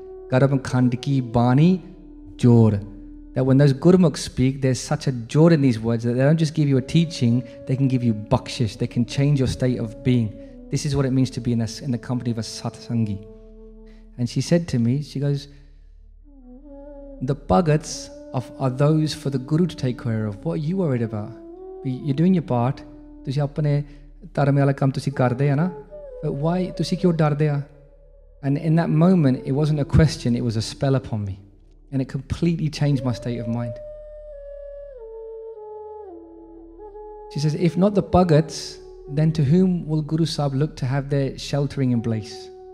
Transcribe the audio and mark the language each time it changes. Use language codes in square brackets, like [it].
[en] Garab Khandiki Bani Jor. That when those Gurmukhs speak, there's such a joy in these words that they don't just give you a teaching, they can give you bakshish, they can change your state of being. This is what it means to be in the company of a satsangi. And she said to me, she goes, the bhagats are those for the guru to take care of. What are you worried about? You're doing your part. [pa] ਤੁਸੀ ਅਪਣੇ ਧਰਮੇ ਵਾਲਾ ਕਾਮ ਤੁਸੀ ਕਰਦੇ ਹੋ ਨਾ? [en] But why [pa] ਤੁਸੀ ਕਿਉਂ ਡਰਦੇ ਹੋ? [en] And in that moment, it wasn't a question, it was a spell upon me. And it completely changed my state of mind. She says, if not the bhagats, then to whom will Guru Sahib look to have their sheltering in place?